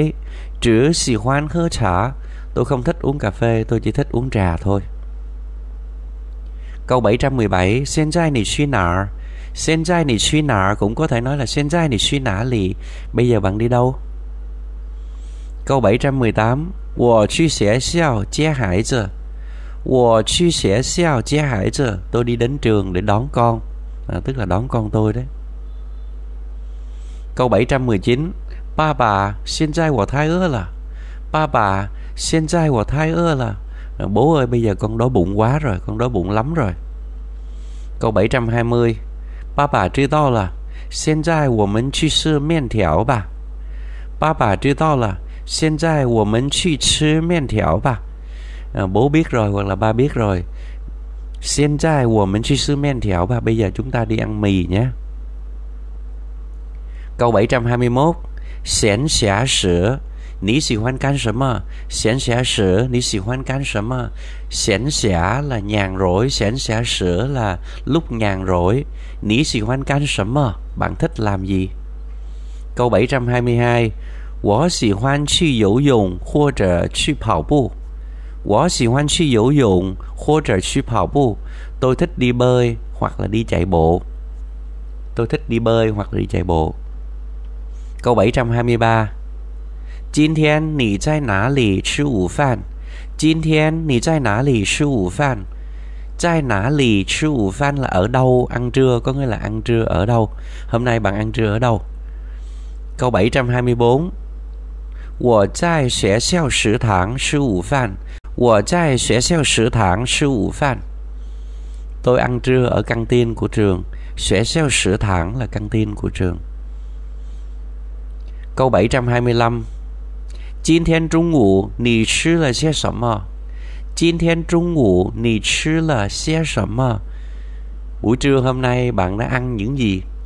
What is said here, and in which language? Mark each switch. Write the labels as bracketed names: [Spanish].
[Chinese] 我不喜欢喝咖啡，只喜欢喝茶. [Vietnamese] Tôi không thích uống cà phê, tôi chỉ thích uống trà thôi. Câu 717, [Chinese] 现在你去哪儿? 现在你去哪 [Vietnamese] cũng có thể nói là [Chinese] 现在你去哪里 [Vietnamese] bây giờ bạn đi đâu. Câu 718, [Chinese] 我去学校接孩子 [Vietnamese] 我去学校接孩子 tôi đi đến trường để đón con, à, tức là đón con tôi đấy. Câu 719, [Chinese] 爸爸现在我太饿了 [Vietnamese] 爸爸现在我太饿了 bố ơi bây giờ con đói bụng quá rồi, con đói bụng lắm rồi. Câu 720, [Chinese] 爸爸知道了,现在我们去吃面条吧。爸爸知道了,现在我们去吃面条吧。 [Vietnamese] Bố biết rồi hoặc là ba biết rồi. [Chinese] 现在我们去吃面条吧, [Vietnamese] bây giờ chúng ta đi ăn mì nhé. Câu 721, [Chinese] 闲暇时,你喜欢干什么?闲暇时,你喜欢干什么? 闲暇 [Vietnamese] là nhàn rỗi, [Chinese] 闲暇时 [Vietnamese] là lúc nhàn rỗi. [Chinese] 你喜欢干什么? [Vietnamese] Bạn thích làm gì? Câu 722, [Chinese] 我喜欢去游泳或者去跑步。我喜欢去游泳或者去跑步. [Vietnamese] Tôi thích đi bơi hoặc là đi chạy bộ. Tôi thích đi bơi hoặc là đi chạy bộ. Câu 723, [Chinese] 今天你在哪里吃午饭?今天你在哪里吃午饭? 在哪里吃午饭 [Vietnamese] là ở đâu ăn trưa, có nghĩa là ăn trưa ở đâu. Hôm nay bạn ăn trưa ở đâu? Câu 724, [Chinese] 我在学校食堂吃午饭.我在学校食堂吃午饭. [Vietnamese] Tôi ăn trưa ở căng tin của trường. [Chinese] 学校食堂 [Vietnamese] là căng tin của trường. Câu 725, [Chinese] 今天中午你吃了些什么?今天中午你吃了些什么? [Vietnamese] Buổi trưa hôm nay bạn đã ăn những gì?